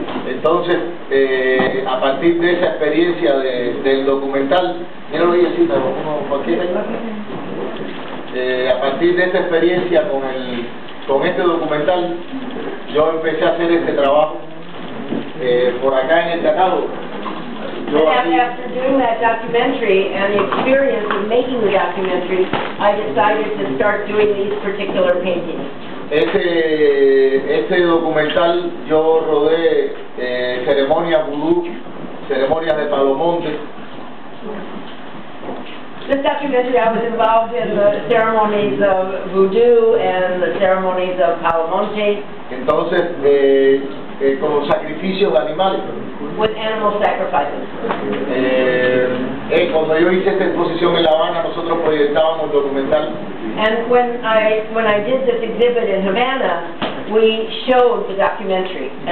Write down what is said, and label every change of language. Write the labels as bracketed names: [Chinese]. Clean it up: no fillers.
[Spanish] Entonces, a partir de esa experiencia del documental, mira lo que yo cito, a partir de esa experiencia con este documental, yo empecé a hacer este trabajo por acá en el Tratado. [English] After doing that documentary and the experience of making the documentary, I decided to start doing these particular paintings. [Spanish] Este documental yo rodé ceremonias vudú, ceremonias de palomonte. [English] This documentary I was involved in the ceremonies of voodoo and the ceremonies of palomonte. [Spanish] Entonces, con los sacrificios de animales. [English] With animal sacrifices. [Spanish] Cuando yo hice esta exposición en La Habana, nosotros proyectábamos el documental [English] And when I did this exhibit in Havana, we showed the documentary.